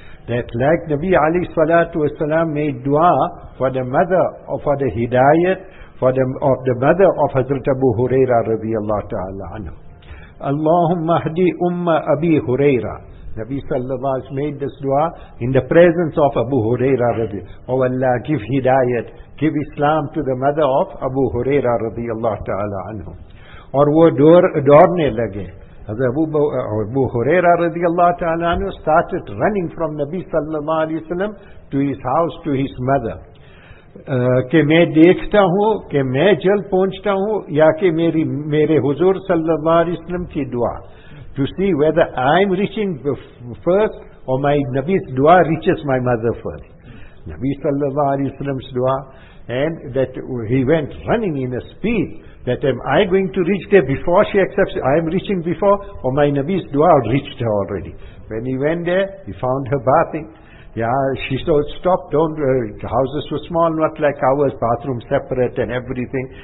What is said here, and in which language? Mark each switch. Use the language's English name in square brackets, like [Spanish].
[English] That like Nabi alayhi salatu wasalam made dua for the mother of the hidayat of the mother of Hazrat Abu Huraira رضی اللہ تعالی عنہ. [Arabic] اللهم اهدی ام ابی حریرا. [English] Nabi sallallahu alayhi wasalam made this dua in the presence of Abu Huraira رضی اللہ تعالی عنہ. Oh Allah, give hidayat, give Islam to the mother of Abu Huraira رضی اللہ تعالی عنہ. [Urdu] اور وہ دوڑنے لگے. [English] ابو حریرہ رضی اللہ تعالیٰ عنہ started running from نبی صلی اللہ علیہ وسلم to his house, to his mother. [Urdu] کہ میں دیکھتا ہوں کہ میں جلد پہنچتا ہوں یا کہ میرے حضور صلی اللہ علیہ وسلم کی دعا. [English] To see whether I'm reaching first or my نبی's دعا reaches my mother first. [Urdu] نبی صلی اللہ علیہ وسلم's دعا. [English] And that he went running in a speed that am I going to reach there before she accepts, I am reaching before, or my Nabi's dua reached her already. When he went there, he found her bathing. Yeah, she said, stop, don't, the houses were small, not like ours, bathroom separate and everything.